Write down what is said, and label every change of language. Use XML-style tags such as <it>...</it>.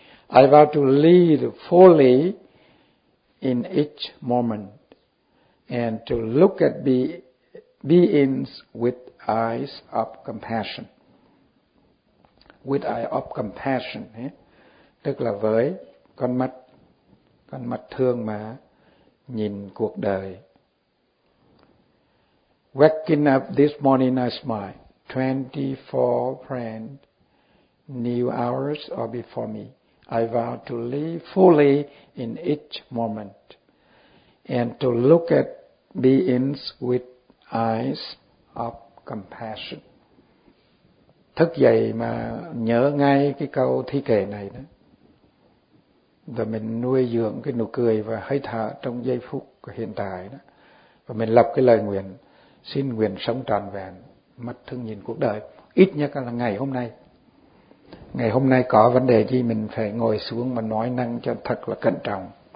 <en>I vow to live fully in each moment and to look at beings with eyes of compassion. With eye of compassion,</en> <vi>tức là với con mắt thương mà nhìn cuộc đời.</vi> <en>Waking up this morning I smile. 24 brand new hours are before me. I vow to live fully in each moment and to look at beings with eyes of compassion.</en> <vi>Thức dậy mà nhớ ngay cái câu thi kệ này đó. Rồi mình nuôi dưỡng cái nụ cười và hơi thở trong giây phút của hiện tại đó. Và mình lập cái lời nguyện, xin nguyện sống tròn vẹn, mắt thương nhìn cuộc đời. Ít nhất là ngày hôm nay. Ngày hôm nay có vấn đề gì mình phải ngồi xuống mà nói năng cho thật là cẩn trọng.</vi>